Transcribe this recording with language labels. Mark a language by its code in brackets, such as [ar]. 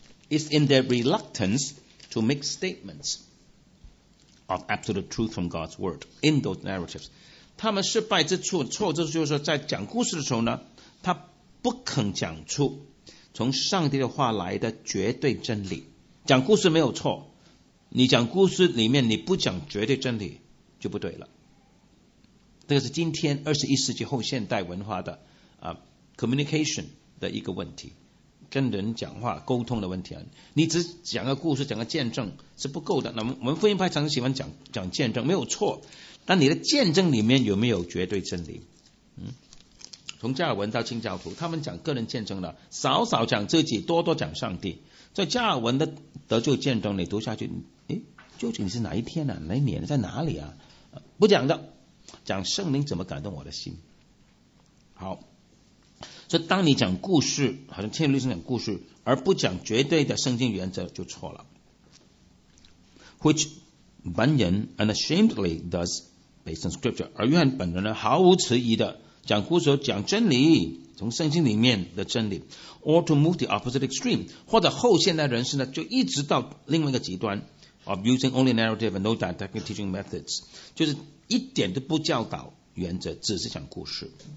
[en] It's in their reluctance to make statements of absolute truth from God's word in those narratives. [zh] 他们失败之处，错之处就是说，在讲故事的时候呢，他不肯讲出从上帝的话来的绝对真理。讲故事没有错，你讲故事里面你不讲绝对真理就不对了。这个是今天21世纪后现代文化的communication 的一个问题，跟人讲话沟通的问题。你只讲个故事讲个见证是不够的。那我们福音派常常喜欢讲见证，没有错，但你的见证里面有没有绝对真理？从加尔文到清教徒，他们讲个人见证了，少少讲自己，多多讲上帝。在加尔文的得救见证你读下去，究竟是哪一天啊，哪一年，在哪里啊，不讲的，讲圣灵怎么感动我的心。好，所以当你讲故事，好像天主律师讲故事，而不讲绝对的圣经原则就错了。 [en] Which Bunyan unashamedly does based on scripture. [zh] 而约翰本人呢，毫无迟疑的讲故事，讲真理，从圣经里面的真理。 [en] Or to move the opposite extreme, [zh] 或者后现代人士呢，就一直到另外一个极端 [en] of using only narrative and no didactic teaching methods, [zh] 就是一点都不教导原则，只是讲故事。